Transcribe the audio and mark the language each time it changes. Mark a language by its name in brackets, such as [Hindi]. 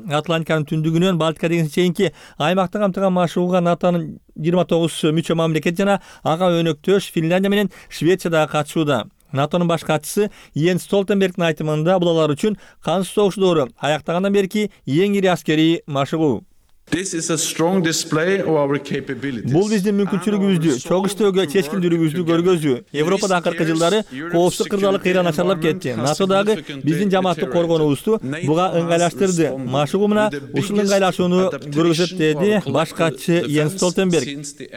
[Kyrgyz] Атлантиканын түндүгүнөн Балтика деген чейинки аймакты камтыган машыгууга НАТОнун 29 мүчө мамлекет жана ага өнөктөш Финляндия менен Швеция дагы катышууда. НАТОнун баш катчысы Йенс Столтенбергдин айтымында бул алар үчүн кансыз согуш доору аяктагандан берки эң ири аскерий машыгуу. [English] This is a strong display of our capabilities. [Kyrgyz] Бул биздин мүмкүнчүлүгүбүздү, чогуштөөгө чечкилдүүбүздү көргөзүү. Европада акыркы жылдары коопсуз кырдаалык кыйран ачылып кетти. НАТО дагы биздин жамаатты коргонубузду буга ыңгайлаштырды. Машыгуу мына ушул ыңгайлашууну көргөзөт, деди баш катчы Йенс Столтенберг.